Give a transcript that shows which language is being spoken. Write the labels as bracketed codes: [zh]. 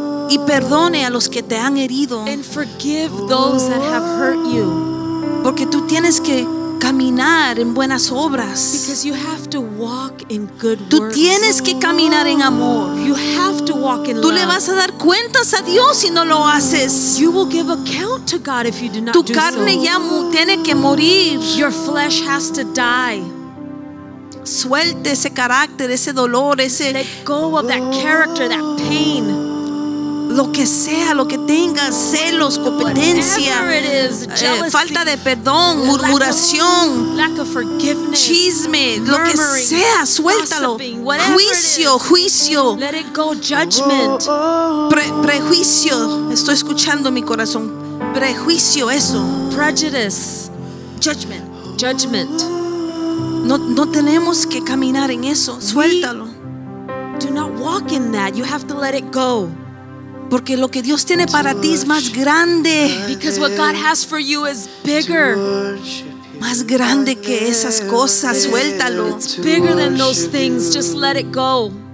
[es] Y perdone a los que te han herido. [en] And forgive those that have hurt you. [es] Porque tú tienes que caminar en buenas obras. [en] Because you have to walk in good [es] works. Tú tienes que caminar en amor. [en] You have to walk in love. [es] Tú le vas a dar cuentas a Dios si no lo haces. [en] You will give account to God if you do not do so. [es] Tu carne ya tiene que morir. [en] Your flesh has to die. [es] Suelte ese carácter, ese dolor, ese. [en] Let go of that character, that pain. [es] Lo que sea, lo que tengas, celos, competencia, [en] is, jealousy, [es] falta de perdón, murmuración, [en] lack of [es] chisme, lo que sea, suéltalo. Juicio, [en] is, [es] juicio. [en] Let it go, judgment. [es] Prejuicio, estoy escuchando mi corazón. Prejuicio, eso. [en] Prejudice. Judgment. Judgment. [es] No tenemos que caminar en eso, suéltalo. [en] We do not walk in that, you have to let it go. [es] Porque lo que Dios tiene para ti es más grande. [en] Because what God has for you is bigger. [es] Más grande que esas cosas, suéltalo. [en] It's bigger than those things, just let it go.